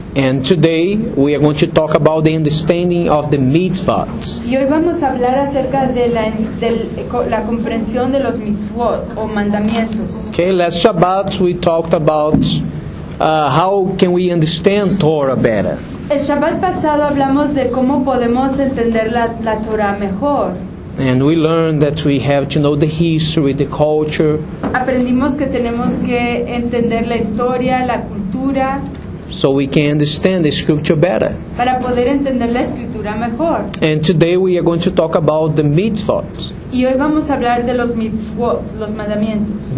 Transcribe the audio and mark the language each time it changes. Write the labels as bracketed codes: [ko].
[en] And today we are going to talk about the understanding of the mitzvot. [es] Y hoy vamos a hablar acerca de la comprensión de los mitzvot o mandamientos. [en] Okay, last Shabbat we talked about how can we understand Torah better. [es] El Shabbat pasado hablamos de cómo podemos entender la Torah mejor. [en] And we learned that we have to know the history, the culture. [es] Aprendimos que tenemos que entender la historia, la cultura. [en] So we can understand the scripture better. [es] Para poder entender la escritura mejor. [en] And today we are going to talk about the mitzvot. [es] Y hoy vamos a hablar de los mitzvot, los mandamientos.